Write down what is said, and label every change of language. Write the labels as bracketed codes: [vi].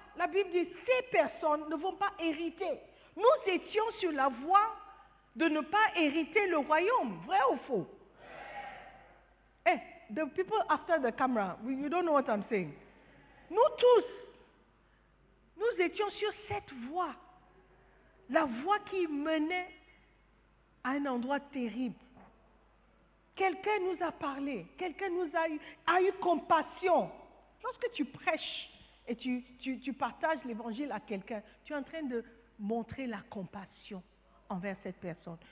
[fr] La Bible dit ces personnes ne vont pas hériter. Nous étions sur la voie de ne pas hériter le royaume. Vrai ou faux? [en] Hey, the people after the camera, you don't know what I'm saying. [fr] Nous tous, nous étions sur cette voie, la voie qui menait à un endroit terrible. Quelqu'un nous a parlé, quelqu'un nous a eu compassion. Lorsque tu prêches et tu partages l'évangile à quelqu'un, tu es en train de montrer la compassion envers cette personne.